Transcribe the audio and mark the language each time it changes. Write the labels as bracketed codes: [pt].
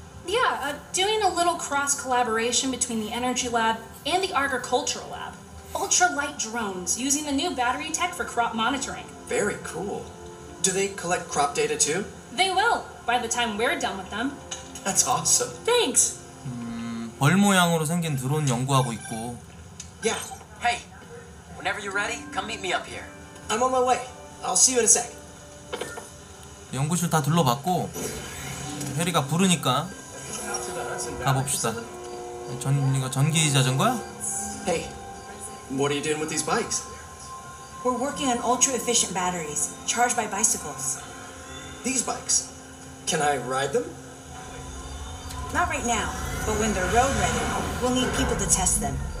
[en] Yeah, doing a little cross collaboration between the energy lab and the agricultural lab. Ultralight drones using the new battery tech for crop monitoring. Very cool. Do they collect crop data too? They will, by the time we're done with them. That's awesome. Thanks. [ko] 벌 모양으로 생긴 드론 연구하고 있고. [en] Yeah. Hey. Whenever you're ready, come meet me up here. I'm on my way. I'll see you in a sec. [ko] 연구실 다 둘러봤고 해리가 부르니까 가봅시다. 이거 전기 자전거야? [en] Hey, what are you doing with these bikes? We're working on ultra-efficient batteries, charged by bicycles. These bikes, can I ride them? Not right now, but when they're road ready, we'll need people to test them.